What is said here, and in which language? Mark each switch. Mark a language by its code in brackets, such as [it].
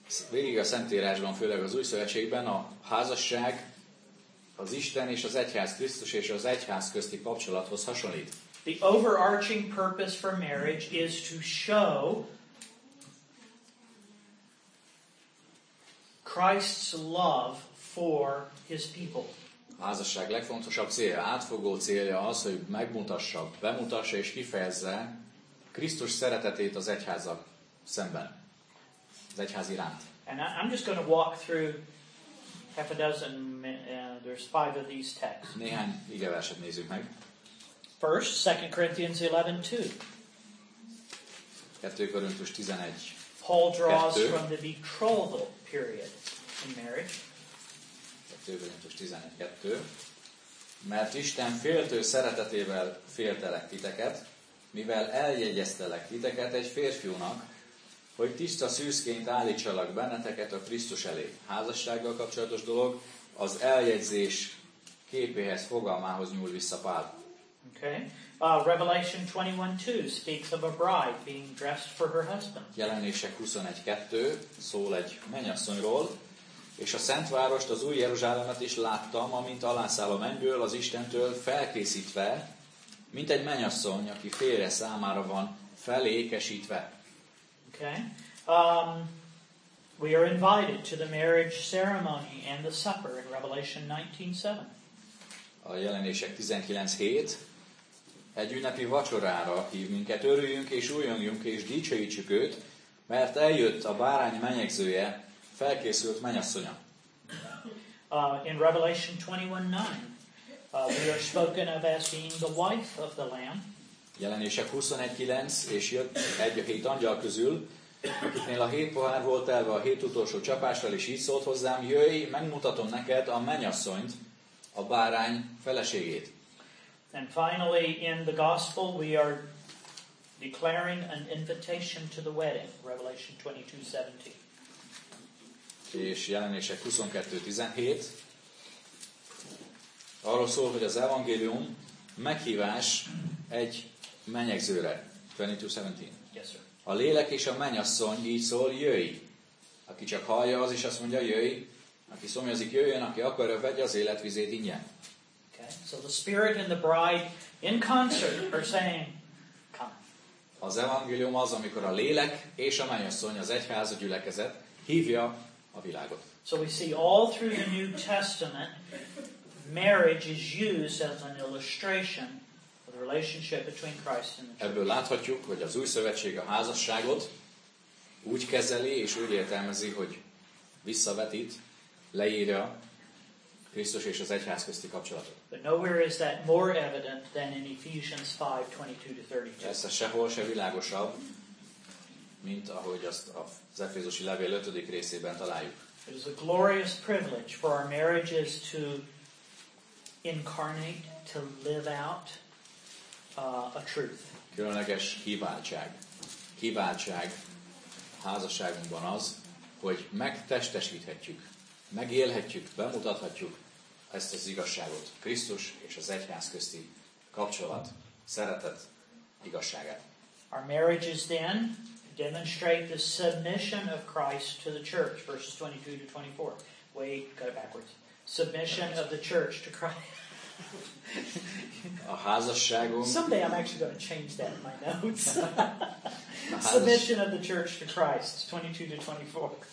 [hu] Végig a Szentírásban, főleg az Új Szövetségben a házasság az Isten és az Egyház, Krisztus és az Egyház közti kapcsolathoz hasonlít. [en] The overarching purpose for marriage is to show Christ's love for his people. [hu] A házasság legfontosabb célja, átfogó célja az, hogy megmutassa, bemutassa és kifejezze Krisztus szeretetét az egyházak szemben, az egyház iránt. [en] And I'm just going to walk through half a dozen, there's five of these texts. [hu] Néhány ige verset nézzük meg. [en] First, 2 Corinthians 11:2. [hu] 2 Korintus 11. [en] Paul draws from the betrothal period in marriage. [hu] 2 Korintus 11:2. Mert Isten féltő szeretetével féltelek titeket, mivel eljegyeztelek titeket egy férfiúnak, hogy tiszta szűzként állítsalak benneteket a Krisztus elé. Házassággal kapcsolatos dolog az eljegyzés képéhez, fogalmához nyúl vissza Pál. [en] Okay. Revelation 21:2 speaks of a bride being dressed for her husband. [hu] Jelenések 21:2 szól egy mennyasszonyról, és a Szent Várost, az Új Jeruzsálemet is láttam, amint alászáll a mennyből az Istentől felkészítve, mint egy mennyasszony, aki férje számára van felékesítve. [en] Okay. We are invited to the marriage ceremony and the supper in Revelation 19:7. [hu] A jelenések 19:7 egy ünnepi vacsorára hív minket, örüljünk és újjongjunk és dicsőítsük őt, mert eljött a bárány menyegzője, felkészült mennyasszonya. [en] In Revelation 21:9 we are spoken of as being the wife of the Lamb. [hu] Jelenések 21:9 és jött egy a hét angyal közül, akiknél a hét pohár volt elve a hét utolsó csapással, és így szólt hozzám, jöjj, megmutatom neked a mennyasszonyt, a bárány feleségét. [en] And finally, in the gospel, we are declaring an invitation to the wedding, Revelation 22:17. [hu] És jelenések 22:17 arról szól, hogy az evangélium meghívás egy mennyegzőre, 22:17. [en] Yes, sir. [hu] A lélek és a mennyasszony így szól, jöjj! Aki csak hallja, az is azt mondja, jöjj! Aki szomjazik, jöjjön, aki akarja, vegye az életvizét ingyen. [en] Okay. So the Spirit and the Bride in concert are saying, come. [hu] Az evangélium az, amikor a lélek és a mennyasszony, az egyház, a gyülekezet hívja a világot. [en] So we see all through the New Testament, marriage is used as an illustration of the relationship between Christ and the church. [hu] Ebből láthatjuk, hogy az Új Szövetség a házasságot úgy kezeli és úgy értelmezi, hogy visszavetít, leírja Krisztus és az egyház közti kapcsolatot. [en] But nowhere is that more evident than in Ephesians 5:22-32. [hu] Ez sehol se világosabb, mint ahogy azt az Efézusi levél 5. részében találjuk. [en] It is a glorious privilege for our marriages to incarnate, to live out a truth. [hu] Különleges kiváltság. Kiváltság házasságunkban az, hogy megtestesíthetjük, megélhetjük, bemutathatjuk ezt az igazságot, Krisztus és az egyház közti kapcsolat, szeretet, igazságát. [en] Our marriages then demonstrate the submission of Christ to the church, verses 22-24. Wait, got it backwards. Submission of the church to Christ. [hu] A házasságunk. [en] Someday I'm actually going to change that in my notes. Submission of the church to Christ, 22-24.